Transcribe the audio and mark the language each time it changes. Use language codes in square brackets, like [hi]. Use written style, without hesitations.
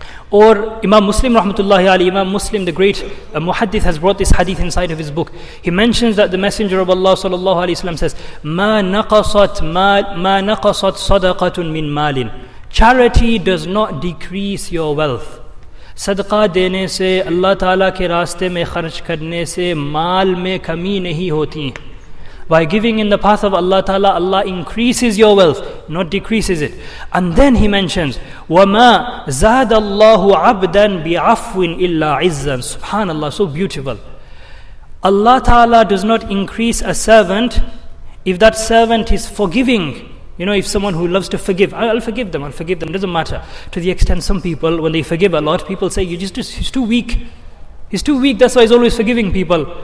[en] Or Imam Muslim rahmatullahi alayhi, Imam Muslim the great muhaddith has brought this hadith inside of his book. He mentions that the messenger of Allah sallallahu alaihi wasallam says, [ar] ما نقصت صدقة من مالٍ. [en] Charity does not decrease your wealth. [ur] صدقہ دینے سے, اللہ تعالیٰ کے راستے میں خرچ کرنے سے مال میں کمی نہیں ہوتی. [en] By giving in the path of Allah ta'ala, Allah increases your wealth, not decreases it. And then he mentions, [ar] وَمَا زَادَ اللَّهُ عَبْدًا بِعَفْوٍ إِلَّا عِزًّا. [en] SubhanAllah, so beautiful. Allah ta'ala does not increase a servant if that servant is forgiving. You know, if someone who loves to forgive, I'll forgive them, it doesn't matter. To the extent some people, when they forgive a lot, people say, he's too weak, that's why he's always forgiving people.